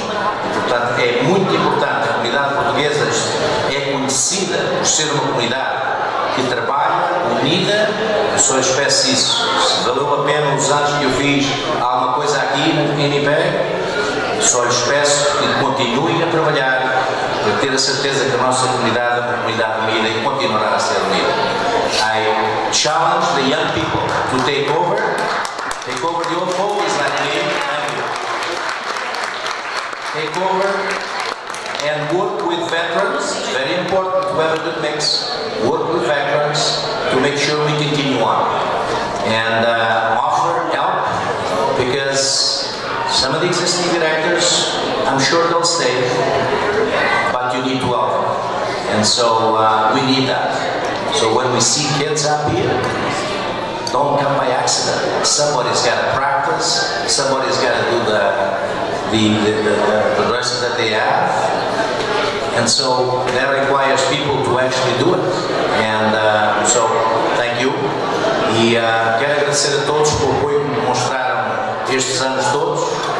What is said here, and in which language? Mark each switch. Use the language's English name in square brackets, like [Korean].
[Portuguese] E, portanto, é muito importante, a comunidade portuguesa é conhecida por ser uma comunidade que trabalha, unida. Eu só espero isso. Se valeu a pena os anos que eu fiz, há alguma coisa aqui no NIP, só espero que continuem a trabalhar para ter a certeza que a nossa comunidade é uma comunidade unida e continuará a ser unida. [English] I challenge the young people to take over. Take over the old folks like me. Thank you. Take over and work with veterans. It's very important to have a good mix. Work with veterans to make sure we continue on. And offer help, because some of the existing directors, I'm sure they'll stay, but you need to help. And so we need that. So when we see kids up here, don't come by accident. Somebody's got to practice. Somebody's got to do the dresses that they have. And so that requires people to actually do it. And so thank you. [Portuguese] E quero agradecer a todos por apoio que me mostraram estes anos todos.